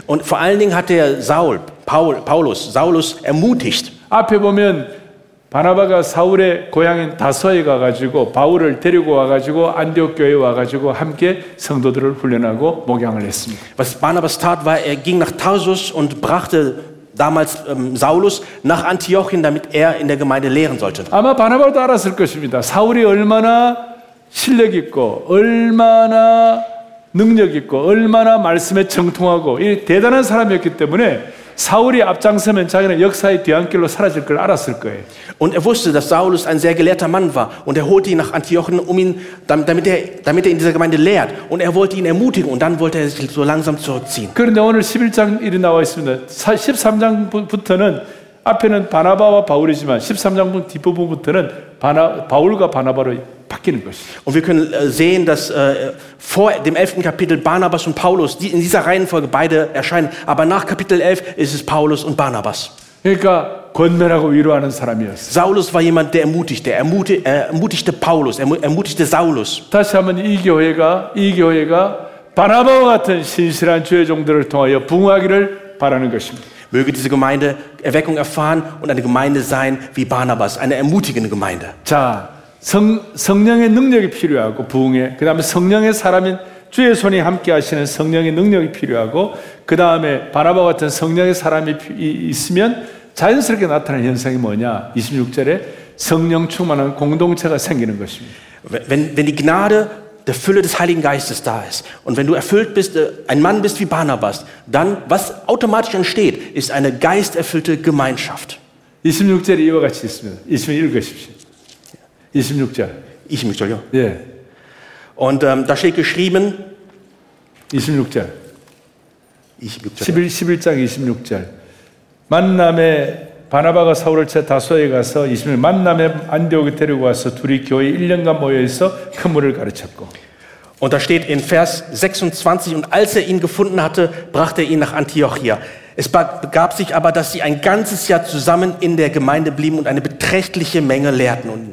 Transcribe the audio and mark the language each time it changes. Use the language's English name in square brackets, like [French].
[German] Und vor allen Dingen hatte er Paulus ermutigt. [Korean] 앞에 보면 바나바가 사울의 고향인 다소에 가가지고 바울을 데리고 와가지고 안디옥 교회에 와가지고 함께 성도들을 훈련하고 목양을 했습니다. [German] Was Barnabas tat war, er ging nach Tarsus und brachte damals Saulus nach Antiochien, damit er in der Gemeinde lehren sollte. [Korean] 아마 바나바도 알았을 것입니다. 사울이 얼마나 실력 있고 얼마나 능력 있고 얼마나 말씀에 정통하고 이 대단한 사람이었기 때문에 사울이 앞장서면 자기는 역사의 뒤안길로 사라질 걸 알았을 거예요. [German] Und er wusste, dass Saulus ein sehr gelehrter Mann war und er holte ihn nach Antiochien, um ihn damit er in dieser Gemeinde lehrt und er wollte ihn ermutigen und dann wollte er sich so langsam zurückziehen. [Korean] 그런데 오늘 11장 1이 나와 있습니다. 13장부터는 앞에는 바나바와 바울이지만 13장 뒷부분부터는 바울과 바나바로 바뀌는 것이. [German] Und wir können sehen, dass vor dem 11. Kapitel Barnabas und Paulus in dieser Reihenfolge beide erscheinen, aber nach Kapitel 11 ist es Paulus und Barnabas. [Korean] 그러니까 권면하고 위로하는 사람이었어. [German] Saulus war jemand, der ermutigte. Ermutigte Paulus. Ermutigte Saulus. [Korean] 다시 한번 이 교회가 바나바와 같은 신실한 주의 종들을 통하여 부흥하기를 바라는 것입니다. [German] Möge diese Gemeinde Erweckung erfahren und eine Gemeinde sein wie Barnabas, eine ermutigende Gemeinde. [Korean] 자, 성령의 능력이 필요하고 부흥에 그 다음에 성령의 사람인 주의 손이 함께 하시는 성령의 능력이 필요하고 그 다음에 바나바 같은 성령의 사람이 있으면 자연스럽게 나타나는 현상이 뭐냐 26절에 성령 충만한 공동체가 생기는 것입니다. [German] Wenn die Gnade der Fülle des Heiligen Geistes da ist und wenn du erfüllt bist, ein Mann bist wie Barnabas, dann was automatisch entsteht, ist eine geisterfüllte Gemeinschaft. [Korean] 26절이 이와 같이 있습니다. 26절 읽으십시오. 26절. 26절요? 예. [German] Und da steht geschrieben [Korean] 26절. 11장 26절. 만남에 바나바가 사울을 채 다소에 가서 26절 만남에 안디옥에 데리고 와서 둘이 교회 1년간 모여서 큰물을 가르쳤고. [German] Und da steht in Vers 26 und als er ihn gefunden hatte, brachte er ihn nach Antiochia. Es begab sich aber, dass sie ein ganzes Jahr zusammen in der Gemeinde blieben und eine beträchtliche Menge lehrten.